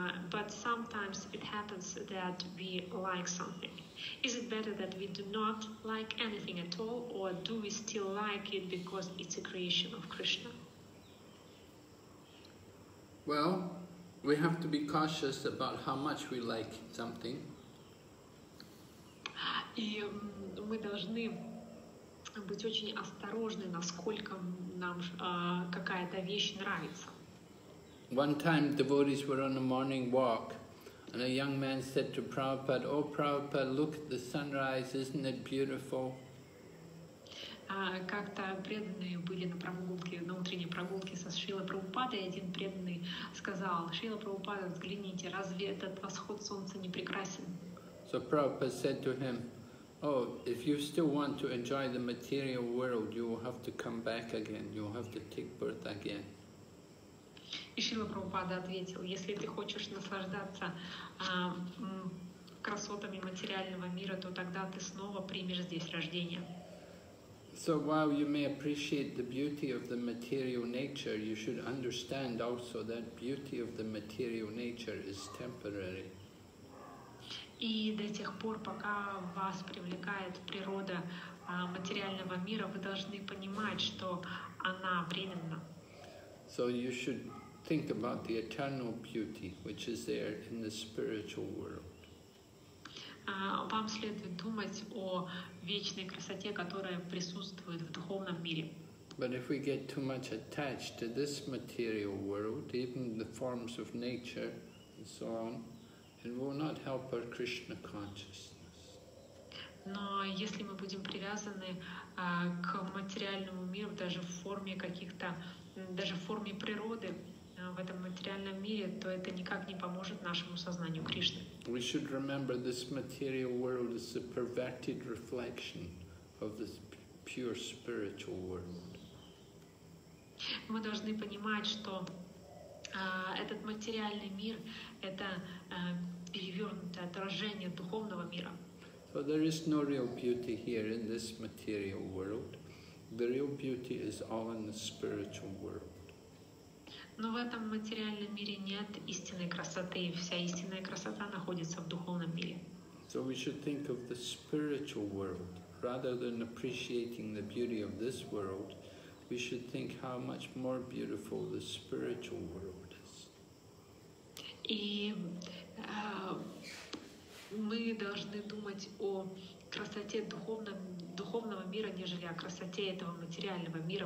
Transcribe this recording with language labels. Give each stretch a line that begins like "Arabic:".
English: But sometimes it happens that we like something. Is it better that we do not like anything at all, or do we still like it because it's a creation of Krishna? Well, we have to be cautious about how much we like something.
Russian: И мы должны быть очень осторожны, насколько нам какая-то вещь нравится.
English: One time devotees were on a morning walk, and a young man said to Prabhupada, "Oh, Prabhupada, look at the sunrise, isn't it beautiful?"
Russian: Как-то преданные были на прогулке, на утренней прогулке со Шрилой Прабхупадой, и один преданный сказал: «Шрила Прабхупада, взгляните, разве этот восход солнца не прекрасен?»
English: So Prabhupada said to him, "Oh, if you still want to enjoy the material world, you will have to come back again, you will have to take birth again."
Russian: И Шрила Прабхупада ответил: «Если ты хочешь наслаждаться красотами материального мира, то тогда ты снова примешь здесь рождение.
English: So while you may appreciate the beauty of the material nature, you should understand also that beauty of the material nature is temporary.
Russian: И до тех пор, пока вас привлекает природа материального мира, вы должны понимать, что она временна.
English: So you should think about the eternal beauty, which is there in the spiritual world.
Russian: Вам следует думать о вечной красоте, которая присутствует в духовном мире.
English: But if we get too much attached to this material world, even the forms of nature and so on, it will not help our Krishna consciousness.
Russian: Но если мы будем привязаны к материальному миру, даже в форме природы, в этом материальном мире, то это никак не поможет нашему сознанию Кришны.
English: We should remember this material world is a perverted reflection of this pure spiritual world.
Russian: Мы должны понимать, что этот материальный мир это перевернутое отражение духовного мира.
English: So there is no real beauty here in this material world. The real beauty is all in the spiritual world.
Russian: Но в этом материальном мире нет истинной красоты, и вся истинная красота находится в духовном мире.
English: So we should think of the spiritual world. Rather than appreciating the beauty of this world, we should think how much more beautiful the spiritual world is.
Russian: И мы должны думать о красоте духовного мира, нежели о красоте этого материального мира.